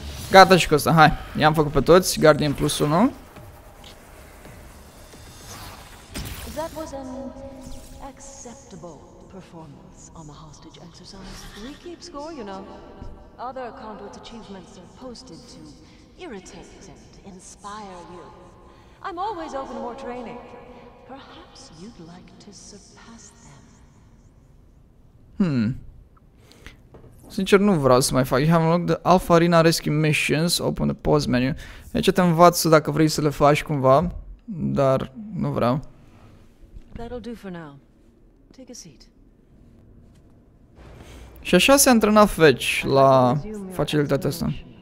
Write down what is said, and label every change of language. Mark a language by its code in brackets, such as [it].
[ro] Gata și cu asta, hai. I-am făcut pe toți, Guardian plus 1. [en] That was an acceptable performance on the hostage exercise. We keep score, you know. Other conduit achievements are posted to irritate and inspire you. I'm always open to more training. Perhaps you'd like to surpass them. Hmm. [ro] Sincer, nu vreau să mai fac. [en] I-am unlocked the Alpha Arena Rescue Missions. Open the pause menu. [ro] Aici te învață dacă vrei să le faci cumva. Dar nu vreau. [en] That'll do for now. Take a seat. [ro] Și așa se antrena Fetch la facilitatea asta.